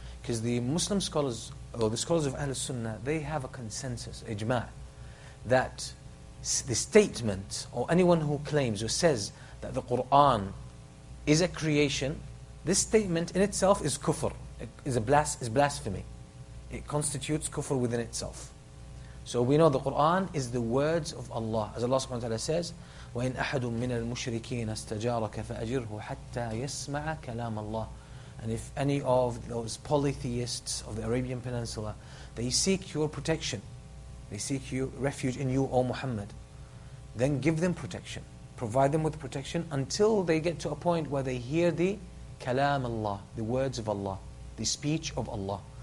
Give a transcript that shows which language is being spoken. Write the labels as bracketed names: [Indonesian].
[English] Because the Muslim scholars, or the scholars of Ahl Sunnah, they have a consensus, ijma', that the statement, or anyone who claims or says that the Qur'an is a creation, this statement in itself is kufr. It is blasphemy. It constitutes kufr within itself. So we know the Qur'an is the words of Allah. As Allah subhanahu wa ta'ala says, [Arabic] وَإِنْ أَحَدٌ مِّنَ الْمُشْرِكِينَ اسْتَجَارَكَ فَأَجِرْهُ حَتَّى يَسْمَعَ كَلَامَ اللَّهِ. [English] And if any of those polytheists of the Arabian Peninsula, they seek your protection, they seek you refuge in you, O Muhammad, then give them protection. Provide them with protection until they get to a point where they hear the [Arabic] كَلَامَ اللَّهِ, [English] the words of Allah, the speech of Allah.